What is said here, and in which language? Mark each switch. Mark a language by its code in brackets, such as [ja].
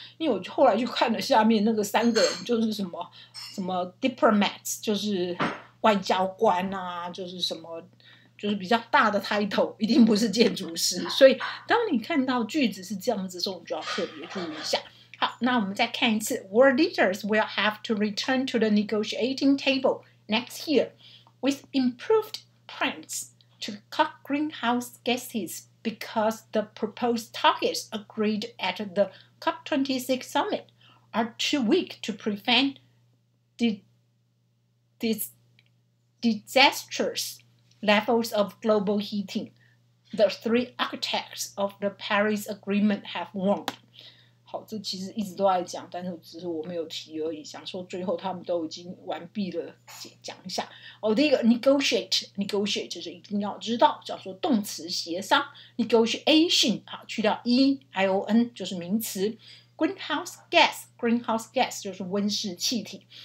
[zh] 因为我后来就看了下面那个三个人，就是什么什么 diplomats， 就是外交官啊，就是什么，就是比较大的 title， 一定不是建筑师。所以当你看到句子是这样子的时候，你就要特别注意一下。好，那我们再看一次。 [en] World leaders will have to return to the negotiating table next year with improved plans to cut greenhouse gases because the proposed targets agreed at the COP26 summit are too weak to prevent disastrous levels of global heating. The three architects of the Paris Agreement have warned. [zh] 好，这其实一直都在讲，但是只是我没有提而已，想说最后他们都已经完毕了，讲一下。哦，第一个 negotiate 就是一定要知道，叫做动词协商 negotiation。好，去掉 ion 就是名词。greenhouse gas 就是温室气体。